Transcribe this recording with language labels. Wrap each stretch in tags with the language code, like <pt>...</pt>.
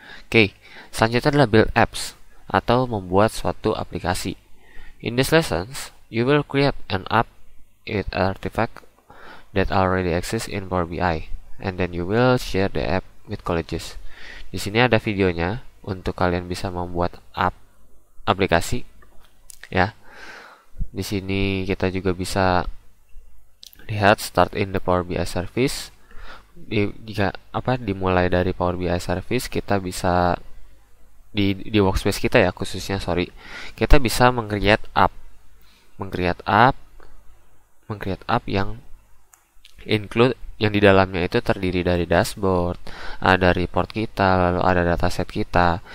<id>Oke, selanjutnya adalah</id> <en>build apps</en> <id>atau membuat suatu aplikasi.</id> <en>In these lessons, you will create an app with artifacts that already exist in Power BI, and then you will share the app with colleges.</en> <id>Di sini ada videonya untuk kalian bisa membuat app aplikasi, ya. Di sini kita juga bisa lihat</id> <en>start in the Power BI service.</en> <id>Dimulai dari Power BI service, kita bisa di workspace kita ya khususnya, sorry, kita bisa meng-create app yang include, yang di dalamnya itu terdiri dari dashboard, ada report kita, lalu ada dataset kita.</id>